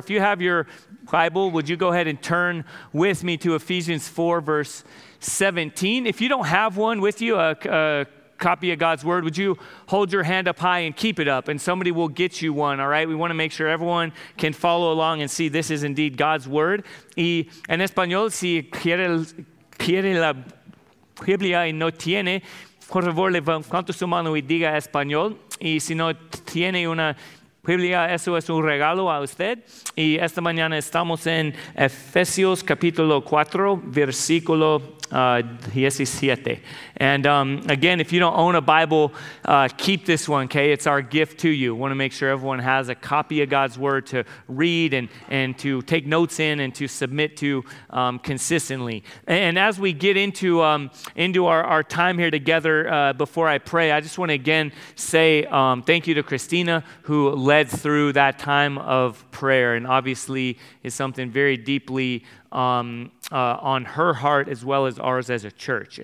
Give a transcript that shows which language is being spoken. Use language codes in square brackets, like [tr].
[en] If you have your Bible, would you go ahead and turn with me to Ephesians 4 verse 17? If you don't have one with you, a copy of God's word, would you hold your hand up high and keep it up, and somebody will get you one, all right? We want to make sure everyone can follow along and see this is indeed God's word. [es] Y en español, si quiere la Biblia y no tiene, por favor, levante su mano y diga español. Y si no tiene una Biblia, eso es un regalo a usted. Y esta mañana estamos en Efesios capítulo 4, versículo 17. [en] And again, if you don't own a Bible, keep this one, okay? It's our gift to you. Want to make sure everyone has a copy of God's word to read and to take notes in and to submit to consistently. And as we get into our time here together, before I pray, I just want to again say thank you to Christina, who led through that time of prayer, and obviously is something very deeply on her heart as well as ours as a church.